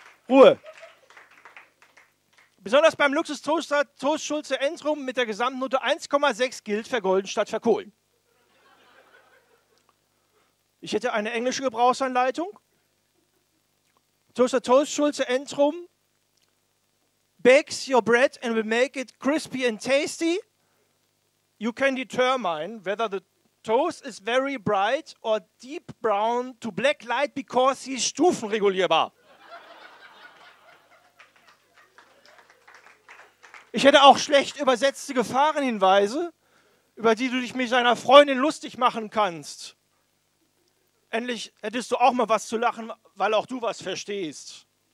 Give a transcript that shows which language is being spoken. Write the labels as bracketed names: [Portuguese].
[German] Ruhe. Besonders beim Luxus-Toaster Toast Schulze Entrum mit der Gesamtnote 1,6 gilt vergolden statt verkohlen. Ich hätte eine englische Gebrauchsanleitung. [English] Toaster Toast Schulze Entrum bakes your bread and will make it crispy and tasty. You can determine whether the toast is very bright or deep brown to black light because he is [German] stufenregulierbar. Ich hätte auch schlecht übersetzte Gefahrenhinweise, über die du dich mit deiner Freundin lustig machen kannst. Endlich hättest du auch mal was zu lachen, weil auch du was verstehst.